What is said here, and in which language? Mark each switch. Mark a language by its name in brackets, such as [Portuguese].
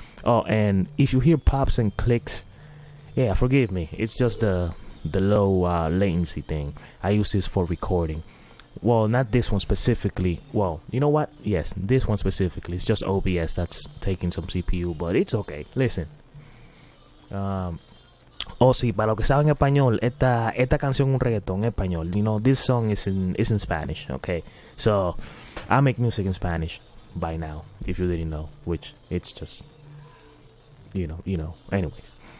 [English] Oh, and if you hear pops and clicks, yeah, forgive me, it's just the low latency thing. I use this for recording. Well, not this one specifically. Well, you know what? Yes, this one specifically. It's just OBS that's taking some CPU, but it's okay. Listen. [Spanish] Sí, para los que saben español, esta canción es un reggaetón español. [English] You know, this song is in Spanish, okay? So, I make music in Spanish by now, if you didn't know, which it's just, you know. Anyways.